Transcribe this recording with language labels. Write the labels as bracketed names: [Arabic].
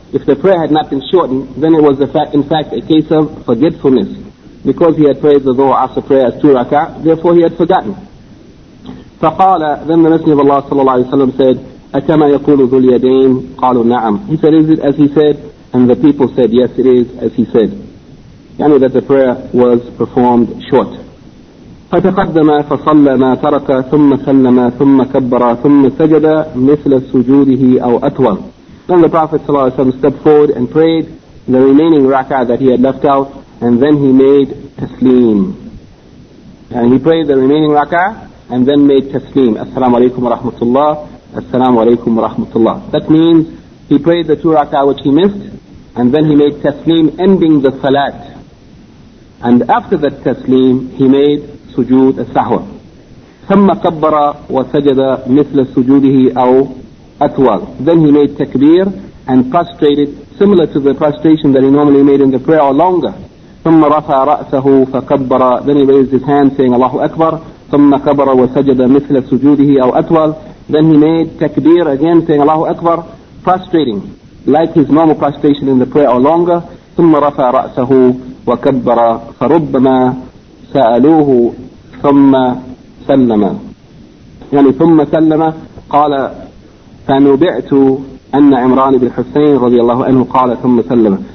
[English] If the prayer had not been shortened, then it was in fact a case of forgetfulness, because he had prayed the Dhuhr Asr prayer as two rak'ah, therefore he had forgotten. [Arabic] فَقَالَ. [English] Then the Messenger of Allah ﷺ said, [Arabic] أَكَمَا يَقُولُ ذُو الْيَدَيْنِ. قَالُوا نَعَمْ. [English] He said, is it as he said, And the people said, yes, it is, as he said. يعني that the prayer was performed short. [Arabic] فتقدم فصلى ما ترك ثم سلم ثم كبر ثم سجد مثل سجوده أو أطول. [English] Then the Prophet ﷺ stepped forward and prayed the remaining rak'ah that he had left out, and then he made tasleem. And he prayed the remaining rak'ah and then made tasleem. As-salamu alaykum wa rahmatullah, as-salamu alaykum wa rahmatullah. That means he prayed the two rak'ah which he missed, and then he made tasleem, ending the salat. And after that tasleem, he made sujood as-sahwa. [Arabic] ثَمَّ كَبَّرَ وَسَجَدَ مِثْلَ سُجُودِهِ أَوْ أَتْوَرْ. [English] Then he made takbir and prostrated, similar to the prostration that he normally made in the prayer, or longer. [Arabic] ثُمَّ رَفَى رَأْسَهُ فَكَبَّرَ. [English] Then he raised his hand saying, Allahu Akbar. [Arabic] ثُمَّ كَبَّرَ وَسَجَدَ مِثْلَ سُجُودِهِ أَوْ أَتْوَرْ. [English] Then he made takbir again saying, Allahu Akbar, prostrating, like his normal prostration in the prayer or longer. [Arabic] ثُمَّ رَفَى رَأْسَهُ وَكَبَّرَ فَرُبَّمَا سَأَلُوهُ ثُمَّ سَلَّمَ. يعني ثُمَّ سَلَّمَ قال فَنُبِعْتُ أَنَّ عِمْرَانِ بِنْ حُسَيْنِ رضي الله عنه قال ثُمَّ سَلَّمَ.